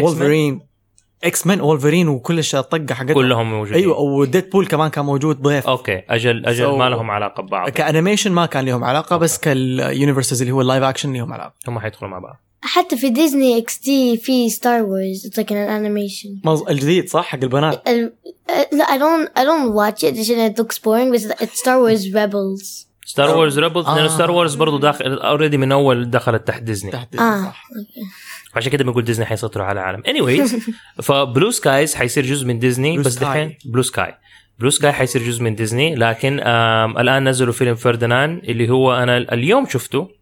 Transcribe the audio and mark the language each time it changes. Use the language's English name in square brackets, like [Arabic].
[Arabic] وولفرين، إكس مان، وولفرين وكل الشيء طقة حقتهم كلهم موجودين. أيوة وديد بول كمان كان موجود ضيف. أوكي أجل أجل ما لهم علاقة ببعض. كأنيميشن ما كان لهم علاقة بس كاليونيفرسز اللي هو اللايف أكشن لهم علاقة. هم حيدخلوا مع بعض. حتى في ديزني إكس تي في ستار وورز [English] it's like an animation. [Arabic] الجديد صح حق البنات. لا [English] I don't watch it because it looks boring but it's Star Wars Rebels. [Arabic] Star Wars Rebels لأن Star Wars برضو داخل already من أول دخلت تحت ديزني. تحت ديزني. عشان كده بنقول ديزني حيسيطروا على العالم. Anyways فبلو سكايز حيصير جزء من ديزني بس دحين بلو سكاي. بلو سكاي حيصير جزء من ديزني لكن الآن نزلوا فيلم فيردنان اللي هو أنا اليوم شفته.